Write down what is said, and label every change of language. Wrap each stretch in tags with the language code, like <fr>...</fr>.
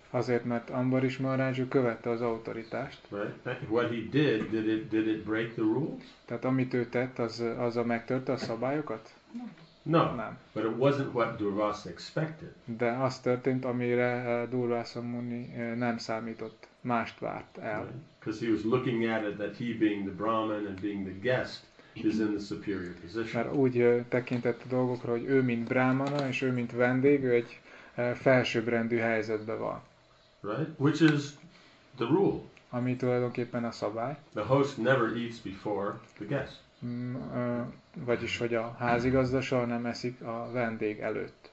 <hu>Azért, mert Ambarish Maharaj követte az autoritást.</hu> <en>Right. What he did it break the rules?</en> <hu>Tehát amit ő tett, az a megtörte a szabályokat?</hu> <en>No.</en> <hu>Nem.</hu> <en>But it wasn't what Durvasa expected.</en> <hu>De az történt, amire Durvasa Muni nem számított, mást várt el.</hu> <en>Because he was looking at it that he being the Brahmin and being the guest is in the superior position.</en> <hu>Mert úgy tekintett a dolgokra, hogy ő mint brámana és ő mint vendég, ő egy felsőbbrendű helyzetben van.</hu> <en>Right? Which is the rule.</en> <hu>Ami tulajdonképpen a szabály.</hu> <en>The host never eats before the guest.</en> <hu>Vagyis, hogy a házigazda soha nem eszik a vendég előtt.</hu>